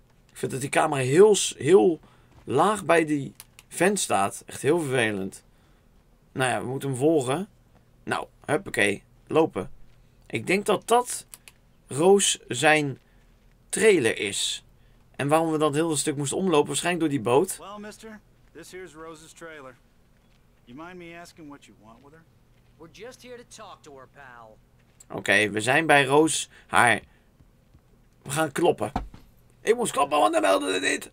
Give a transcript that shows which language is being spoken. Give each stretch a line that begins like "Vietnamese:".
Dutch: Ik vind dat die camera heel, heel laag bij die vent staat. Echt heel vervelend. Nou ja, we moeten hem volgen. Nou, huppakee. Lopen. Ik denk dat dat Roos zijn trailer is. En waarom we dat hele stuk moesten omlopen, waarschijnlijk door die boot.
English: Well, mister, this here's Rose's trailer. You mind me asking what you want with her? We're just here to talk to her, pal.
Dutch: Okay, we zijn bij Roos haar. We gaan kloppen. Ik moest kloppen, want dan melden ze dit.